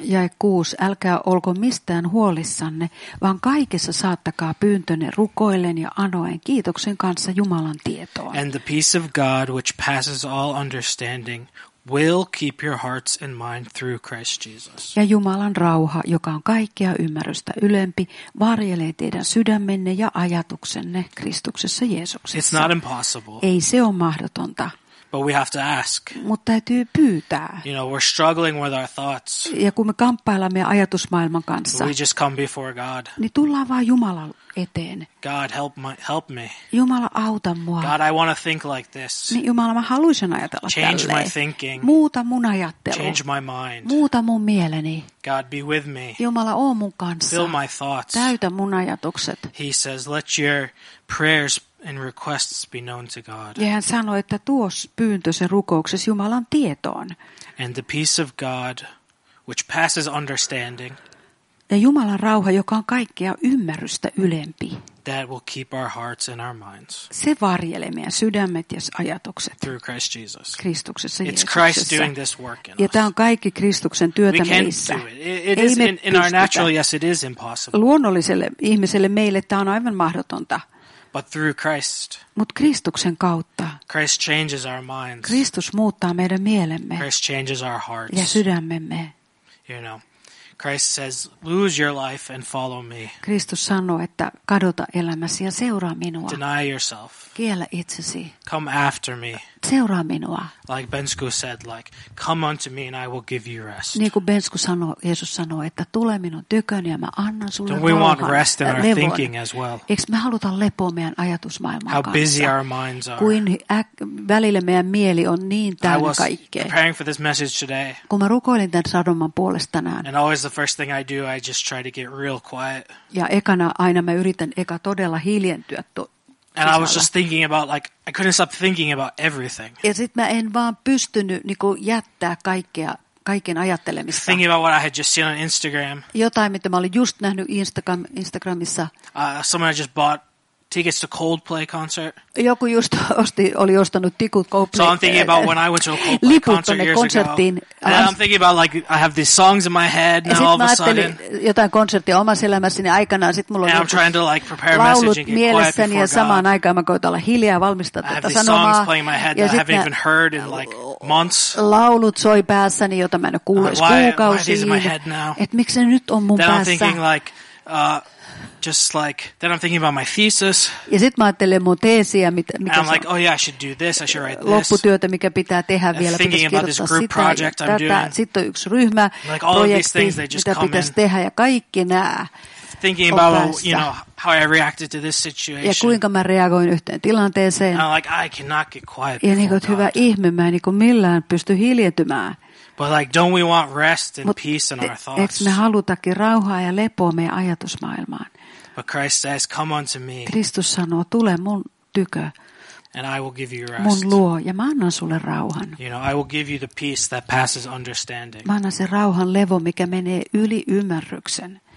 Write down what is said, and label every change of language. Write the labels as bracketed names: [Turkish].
[Finnish] Jae 6, älkää olko mistään huolissanne, vaan kaikessa saattakaa pyyntönne rukoillen ja anoen kiitoksen kanssa Jumalan tietoon. [English] And the peace of God which passes all understanding will keep your hearts and mind through Christ Jesus. [Finnish] Ja Jumalan rauha, joka on kaikkea ymmärrystä ylempi, varjelee teidän sydämenne ja ajatuksenne Kristuksessa Jeesuksessa. [English] It's not impossible. [Finnish] Ei se ole mahdotonta. [English] But we have to ask. [Finnish] Mut täytyy pyytää. [English] You know, we're struggling with our thoughts. [Finnish] Ja kun me kamppaillaan meidän ajatusmaailman kanssa. [English] We just come before God. [Finnish] Niin tullaan vaan Jumalan eteen. [English] God, help me. [Finnish] Jumala, auta mua. [English] God, I want to think like this. [Finnish] Niin, Jumala, mä haluaisin ajatella [English] Change [Finnish] tälleen. [English] My thinking. [Finnish] Muuta mun ajattelu. [English] Change my mind. [Finnish] Muuta mun mieleni. [English] God, be with me. [Finnish] Jumala, oo mun kanssa. [English] Fill my thoughts. [Finnish] Täytä mun ajatukset. [English] He says, let your prayers and requests be known to God. [Finnish] Ja hän sanoi, että tuo pyyntösi rukouksesi Jumalan tietoon. [English] And the peace of God, which passes understanding. [Finnish] Ja Jumalan rauha, joka on kaikkea ymmärrystä ylempi. [English] That will keep our hearts and our minds. [Finnish] Se varjelee meidän sydämet ja ajatukset. [English] Through Christ Jesus. [Finnish] Kristuksessa [English] Jeesuksessa. It's Christ doing this work in us. [Finnish] Ja tämä on kaikki Kristuksen työtä meissä. [English] It is in our natural, yes, it is impossible. [Finnish] Luonnolliselle ihmiselle meille tämä on aivan mahdotonta. [English] But through Christ. [Finnish] Mut Kristuksen kautta. [English] Christ changes our minds. [Finnish] Kristus muuttaa meidän mielemme. [English] Christ changes our hearts. [Finnish] Ja sydämemme. [English] You know. Christ says, lose your life and follow me. [Finnish] Kristus sanoo, että kadota elämäsi ja seuraa minua. [English] Deny yourself. [Finnish] Kiellä itsesi. [English] Come after me. [Finnish] Seuraa minua. [English] Like Bensku said, like, come unto me and I will give you rest. [Finnish] Niin kuin Bensku sanoo, Jeesus sanoo, että tule minun tyköni ja mä annan sulle rauhan. [English] Don't we want rest in our thinking as well? [Finnish] Eiks me haluta lepoa meidän ajatusmaailman [English] How [Finnish] kanssa? [English] Busy our minds are. [Finnish] Kuin välillä meidän mieli on niin täynnä kaikkea. [English] I was preparing for this message today. [Finnish] Kun mä rukoilin tämän sadoman puolesta tänään. [English] And always the first thing I do, I just try to get real quiet. [Finnish] Ja ekana aina mä yritän eka todella hiljentyä [English] And I was just thinking about, like, I couldn't stop thinking about everything. [Finnish] Ja sit mä en vaan pystynyt niinku jättää kaiken ajattelemista. [English] Thinking about what I had just seen on Instagram. [Finnish] Jotain, mitä mä olin just nähnyt Instagramissa. [English] Someone just bought tickets to Coldplay concert. [Finnish] Joku just oli ostanut tikut Coldplay. [English] So I'm thinking about when I went to a Coldplay concert years ago. And I'm thinking about, like, I have these songs in my head and all of a sudden. [Finnish] Jotain konserttia omassa elämässäni aikana, sit mulla on [English] I'm trying to, like, prepare a message and get quiet before God. [Finnish] Ja samaan aikaan mä koitan olla hiljaa ja valmistaa tätä sanomaa. [English] Songs playing in my head that I haven't even heard in, like, months. [Finnish] Laulut soi päässäni, jota mä en kuule kuukausiin. Et miksi ne nyt on mun päässä? [English] Then I'm thinking, like, just like then I'm thinking about my thesis. [Finnish] Ja sit mä ajattelen mun teesiä, mikä [English] I'm like, oh yeah, I should do this, I should write this. [Finnish] Lopputyötä, mikä pitää tehdä vielä, pitäisi kirjoittaa sitä. [English] Thinking about this group project I'm doing. [Finnish] Sitten on yksi ryhmä, [English] like all [Finnish] projekti, [English] of these things, they just [Finnish] mitä [English] come [Finnish] pitäisi [English] in. [Finnish] Tehdä ja kaikki nää. [English] Thinking about, you know, how I reacted to this situation. [Finnish] Ja kuinka mä reagoin yhteen tilanteeseen. [English] And I'm like, I cannot get quiet. [Finnish] Ja niin kuin, hyvä ihme, mä en niin kuin millään pysty hiljentymään. [English] But like, don't we want rest and peace in our thoughts? [Finnish] Eikö me halutakin rauhaa ja lepoa meidän ajatusmaailmaan? [English] But Christ says, come unto me. [Finnish] Kristus sanoo, tule mun tykö. [English] And I will give you rest. [Finnish] Mun luo, ja mä annan sulle rauhan. [English] You know, I will give you the peace that passes understanding. [Finnish] Mä annan sen rauhan levo, mikä menee yli ymmärryksen.